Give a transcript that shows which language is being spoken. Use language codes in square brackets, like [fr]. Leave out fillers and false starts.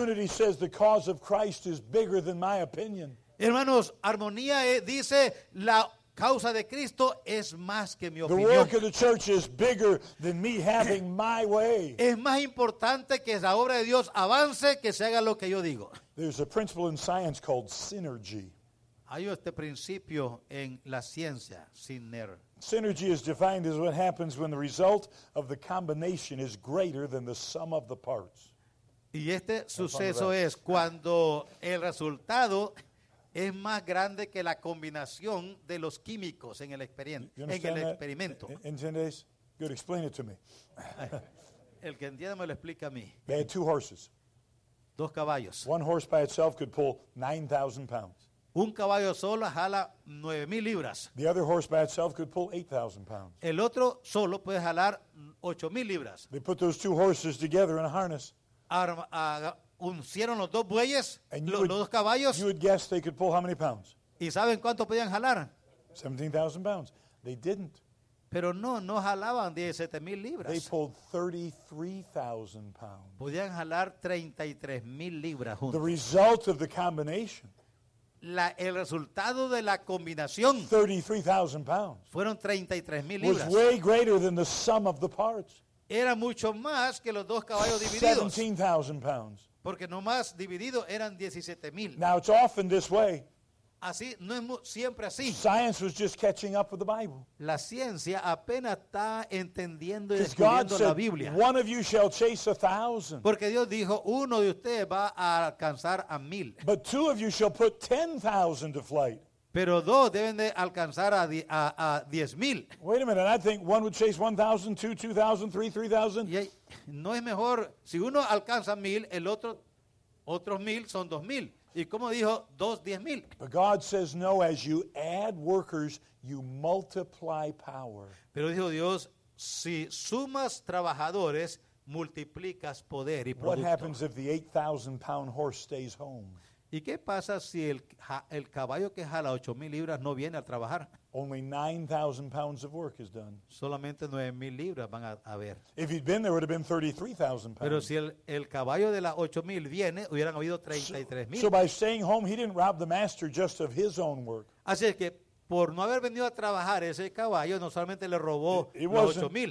[en] Unity says the cause of Christ is bigger than my opinion. [es] Hermanos, armonía dice la causa de Cristo es más que mi opinión. [en] The work of the church is bigger than me having my way. [es] Es más importante que la obra de Dios avance que se haga lo que yo digo. [en] There's a principle in science called synergy. [es] Hay este principio en la ciencia, [en] synergy. Synergy is defined as what happens when the result of the combination is greater than the sum of the parts. [es] Y este suceso es cuando el resultado es más grande que la combinación de los químicos en el experimento. Entendéis? [en] Good, explain it to me. [es] El que entiende me lo explica a mí. [en] They had two horses. [es] Dos caballos. [en] One horse by itself could pull 9,000 pounds. [es] Un caballo solo jala 9,000 libras. [en] The other horse by itself could pull 8,000 pounds. [es] El otro solo puede jalar 8,000 libras. [en] They put those two horses together in a harness. [es] Uncieron los dos bueyes, los dos caballos. [en] You would guess they could pull how many pounds? [es] ¿Y saben cuánto podían jalar? [en] 17,000 pounds. They didn't. [es] Pero no jalaban 17,000 libras. [en] They pulled 33,000 pounds. [es] Podían jalar 33,000 libras juntos. [en] The result of the combination. [es] La, el resultado de la combinación [en] 33,000 pounds [es] fueron 33,000 libras. [en] Was way greater than the sum of the parts. [es] Era mucho más que los dos caballos divididos. [en] 17,000 pounds. [es] Porque nomás dividido eran 17,000. [en] Now it's often this way. [es] Así, no es siempre así. [en] Science was just catching up with the Bible. [es] La ciencia apenas está entendiendo y descubriendo la Biblia. [en] One of you shall chase 1,000. [es] Porque Dios dijo, uno de ustedes va a alcanzar a 1,000. [en] But two of you shall put 10,000 to flight. [es] Pero dos deben de alcanzar a 10,000. [en] Wait a minute, I think one would chase 1,000, two, 2,000, three, 3,000. [es] No es mejor, si uno alcanza 1,000, el otro 1,000 son 2,000. Y como dijo, dos 10,000. [en] But God says no, as you add workers, you multiply power. [es] Pero dijo Dios, si sumas trabajadores, multiplicas poder y producto. [en] What happens if the 8,000 pound horse stays home? [es] ¿Y qué pasa si el caballo que jala 8,000 libras no viene a trabajar? [en] Only 9,000 pounds of work is done. [es] Solamente 9,000 libras van a ver. [en] If he'd been there, it would have been 33,000 pounds. [es] Pero si el caballo de las 8,000 viene, hubieran habido 33,000. [en] So by staying home, he didn't rob the master just of his own work. [es] Así es que por no haber venido a trabajar ese caballo, no solamente le robó los 8,000.